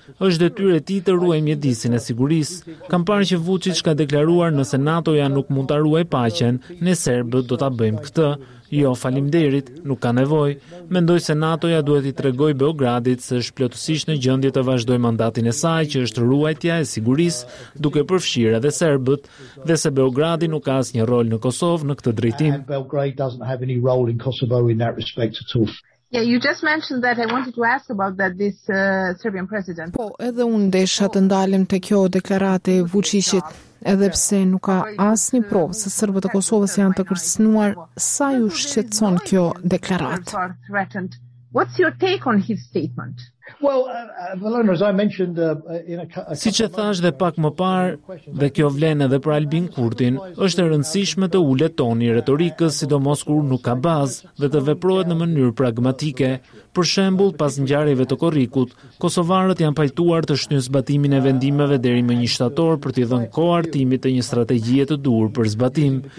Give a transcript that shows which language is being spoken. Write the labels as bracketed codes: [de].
[sq] Është detyrë e tij të ruajë mjedisin e sigurisë. Kam parë që Vučić ka deklaruar nëse NATO-ja nuk mund ta ruajë paqen, ne serbët do ta bëjmë këtë. Jo, faleminderit, nuk ka nevojë. Mendoj se NATO-ja duhet i tregojë Beogradit se është plotësisht në gjendje të vazhdojë mandatin e saj, që është ruajtja e sigurisë, duke përfshirë edhe serbët, dhe se Beogradi nuk ka asnjë rol në Kosovë në këtë drejtim. [en] Yeah, you just mentioned that I wanted to ask about that this Serbian president. [sq] Po, edhe unë desha të ndalem te kjo deklaratë e Vučićit, edhe pse nuk ka asnjë provë se serbët e Kosovës janë të kërcënuar, sa ju shqetëson kjo deklaratë? [en] What's your take on his statement? [sq] Si që thash dhe pak më parë, dhe kjo vlen edhe për Albin Kurtin, është e rëndësishme të ulet toni retorikës, sidomos kur nuk ka bazë dhe të veprohet në mënyrë pragmatike. Për shembull, pas ngjarjeve të Korrikut, kosovarët janë pajtuar të shtynë zbatimin e vendimeve deri më 1 shtator për t'i dhënë kohë hartimit të një strategjie të duhur për zbatim.